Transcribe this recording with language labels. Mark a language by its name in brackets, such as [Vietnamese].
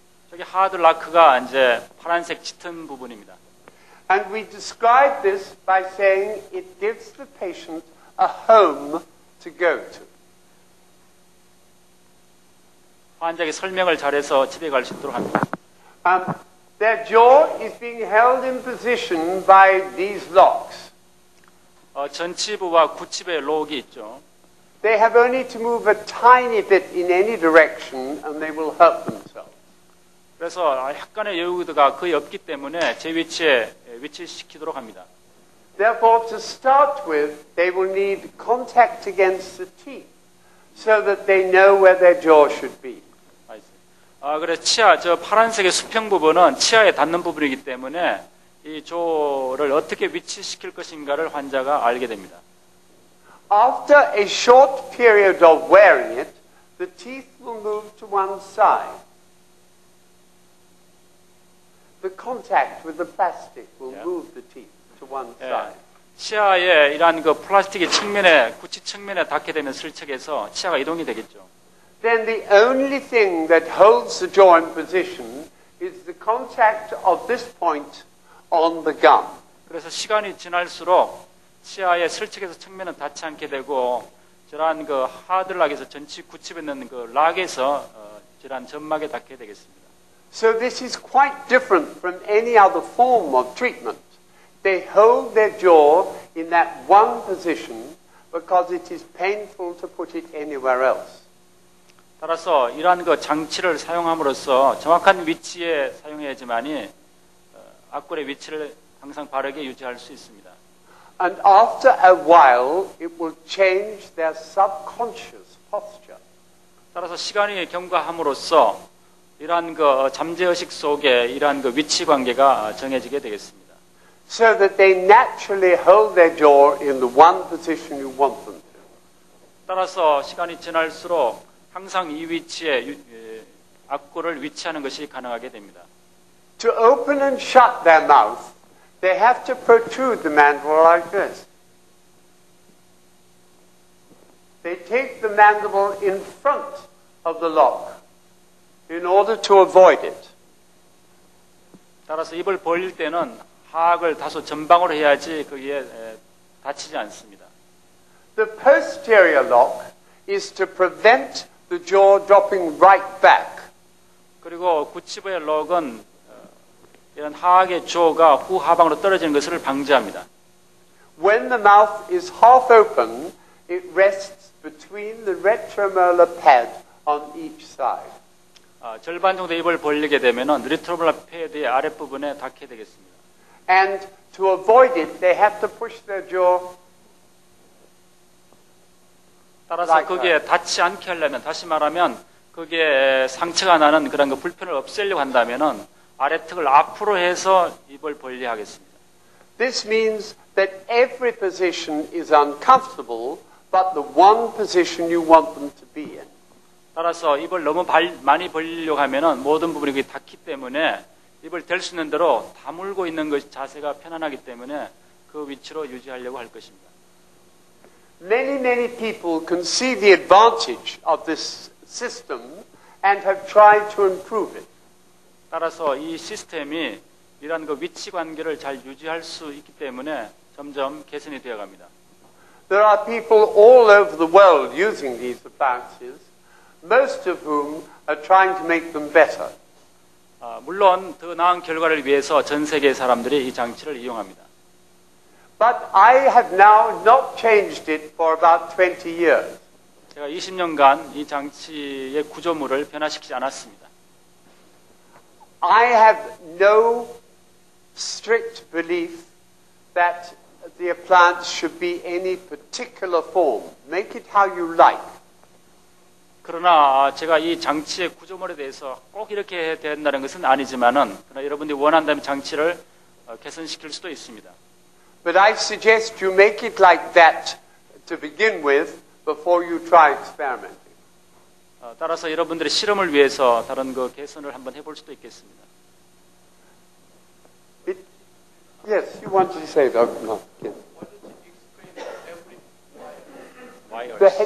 [Korean] 저기 하드 락크가 이제 파란색 짙은 부분입니다. [English] And we describe this by saying it gives the patient a home to go to. [Korean] 환자에게 설명을 잘해서 집에 갈 수 있도록 합니다. [English] Their jaw is being held in position by these locks. [Korean] 전치부와 구치부의 록이 있죠. [English] They have only to move a tiny bit in any direction and they will hurt themselves. [Korean] 그래서 약간의 여유가 거의 없기 때문에 제 위치에 위치시키도록 합니다. [English] Therefore, to start with, they will need contact against the teeth so that they know where their jaw should be. [Korean] 그래 치아 저 파란색의 수평 부분은 치아에 닿는 부분이기 때문에 이 조를 어떻게 위치시킬 것인가를 환자가 알게 됩니다. [English] After a short period of wearing it, the teeth will move to one side. The contact with the plastic will move the teeth to one side. [Korean] 치아에 이러한 그 플라스틱의 측면에 구치 측면에 닿게 되면 슬쩍해서 치아가 이동이 되겠죠. [English] Then the only thing that holds the jaw in position is the contact of this point on the gum. [Korean] 그래서 시간이 지날수록 치아의 슬측에서 측면은 닿지 않게 되고 저러한 그 하드락에서 전치 구치부에 있는 그 락에서 저러한 점막에 닿게 되겠습니다. [English] So this is quite different from any other form of treatment. They hold their jaw in that one position because it is painful to put it anywhere else. [Korean] 따라서 이러한 그 장치를 사용함으로써 정확한 위치에 사용해야지만이 악골의 위치를 항상 바르게 유지할 수 있습니다. [English] And after a while, it will change their subconscious posture. [Korean] 따라서 시간이 경과함으로써 이러한 그 잠재의식 속에 이러한 그 위치 관계가 정해지게 되겠습니다. [English] So that they naturally hold their jaw in the one position you want them to. [Korean] 따라서 시간이 지날수록 항상 이 위치에 악골을 위치하는 것이 가능하게 됩니다. [English] To open and shut their mouth, they have to protrude the mandible like this. They take the mandible in front of the lock in order to avoid it. [Korean] 따라서 입을 벌릴 때는 하악을 다소 전방으로 해야지 거기에 다치지 않습니다. [English] The posterior lock is to prevent the jaw dropping right back. [Korean] 그리고 구치부의 록은 이런 하악의 조가 후하방으로 떨어지는 것을 방지합니다. [English] When the mouth is half open, it rests between the retromolar pad on each side. [Korean] 절반 정도 입을 벌리게 되면은 리트로몰라 패드의 아랫부분에 닿게 되겠습니다. [English] And to avoid it, they have to push their jaw. [Korean] 따라서 [English] like [Korean] 거기에 [English] that. [Korean] 닿지 않게 하려면, 다시 말하면 거기에 상처가 나는 그런 거 불편을 없애려고 한다면은 아래턱을 앞으로 해서 입을 벌려야 하겠습니다. [English] This means that every position is uncomfortable, but the one position you want them to be in. [Korean] 따라서 입을 너무 많이 벌리려고 하면은 모든 부분이 닿기 때문에 입을 댈 수 있는 대로 다물고 있는 것이 자세가 편안하기 때문에 그 위치로 유지하려고 할 것입니다. [English] Many, many people can see the advantage of this system and have tried to improve it. [Korean] 따라서 이 시스템이 이런 그 위치 관계를 잘 유지할 수 있기 때문에 점점 개선이 되어 갑니다. [English] There are people all over the world using these appliances, most of whom are trying to make them better. [Korean] 물론 더 나은 결과를 위해서 전 세계 사람들이 이 장치를 이용합니다. [English] But I have now not changed it for about 20 years. [Korean] 제가 20년간 이 장치의 구조물을 변화시키지 않았습니다. [English] I have no strict belief that the appliance should be any particular form. Make it how you like. [Korean] 그러나 제가 이 장치의 구조물에 대해서 꼭 이렇게 해야 된다는 것은 아니지만은 그러나 여러분들이 원한다면 장치를 개선시킬 수도 있습니다. [English] But I suggest you make it like that to begin with before you try experimenting. [Korean] 따라서 여러분들의 실험을 위해서 다른 거 개선을 한번 해볼 수도 있겠습니다. [English] It, yes, you want to say that. No, yes. Why don't you explain every wire?